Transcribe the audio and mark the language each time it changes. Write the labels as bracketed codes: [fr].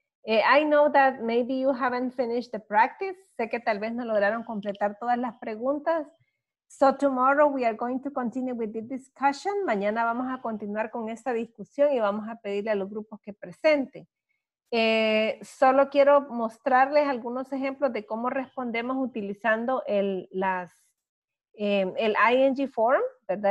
[en] I know that maybe you haven't finished the practice. [es] Sé que tal vez no lograron completar todas las preguntas. [en] So tomorrow we are going to continue with the discussion. [es] Mañana vamos a continuar con esta discusión y vamos a pedirle a los grupos que presenten. Solo quiero mostrarles algunos ejemplos de cómo respondemos utilizando el ING form, ¿verdad?